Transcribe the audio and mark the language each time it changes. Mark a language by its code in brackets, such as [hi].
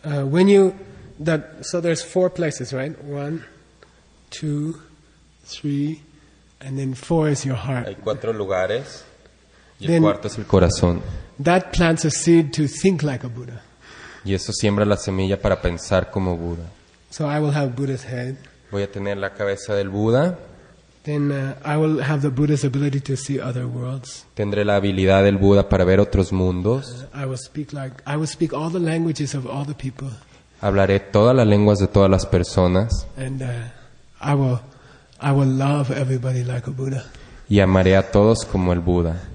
[en] When you that so there's four places, right? One, two, three, and then four is your heart. [es] Hay cuatro lugares y el cuarto es el corazón. [en] That plants a seed to think like a Buddha. [es] Y eso siembra la semilla para pensar como Buda. [en] So I will have Buddha's head. [es] Voy a tener la cabeza del Buda. [en] Then I will have the Buddha's ability to see other worlds. [es] Tendré la habilidad del Buda para ver otros mundos. [en] I will speak all the languages of all the people. [es] Hablaré todas las lenguas de todas las personas. [en] And, I will love everybody like a Buddha. [es] Y amaré a todos como el Buda.